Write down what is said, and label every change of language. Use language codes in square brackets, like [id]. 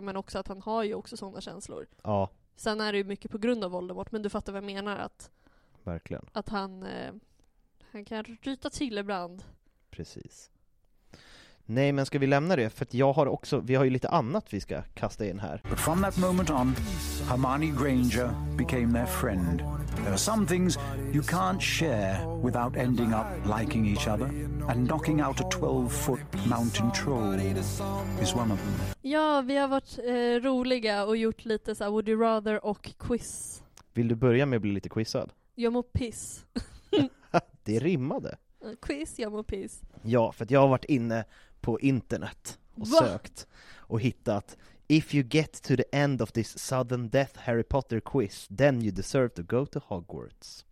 [sv] Men också att han har ju också sådana känslor. Ja. Sen är det ju mycket på grund av Voldemort. Men du fattar vad jag menar. Att, verkligen. Att han kan ryta till ibland. Precis. Nej, men ska vi lämna det? För att vi har ju lite annat vi ska kasta in här. [en] But from that moment on, Hermione Granger became their friend. There are some things you can't share without ending up liking each other. And knocking out a 12-foot mountain troll is one of them. [sv] Ja, vi har varit roliga och gjort lite så här would you rather och quiz. Vill du börja med att bli lite quizad? Jag mår piss. Det rimmade. Quiz, jag mår piss. Ja, för att jag har varit inne på internet och sökt och hittat [en] if you get to the end of this sudden death Harry Potter quiz, then you deserve to go to Hogwarts.